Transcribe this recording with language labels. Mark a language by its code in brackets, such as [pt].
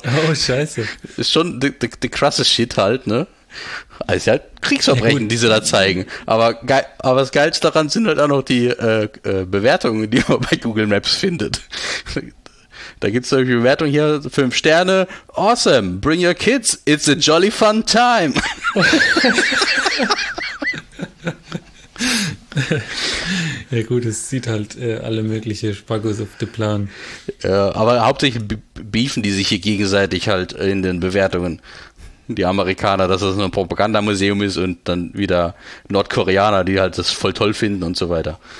[de] Oh, scheiße. Ist schon the krasse Shit halt, ne? Also halt Kriegsverbrechen, die sie da zeigen. Aber das Geilste daran sind halt auch noch die Bewertungen, die man bei Google Maps findet. Da gibt es eine Bewertung hier, 5 Sterne. [en] Awesome, bring your kids, it's a jolly fun time. [de] Ja gut, es sieht halt alle möglichen Spagos auf den Plan. Aber hauptsächlich beefen die sich hier gegenseitig halt in den Bewertungen. Die Amerikaner, dass das nur ein Propagandamuseum ist und dann wieder Nordkoreaner, die halt das voll toll finden und so weiter.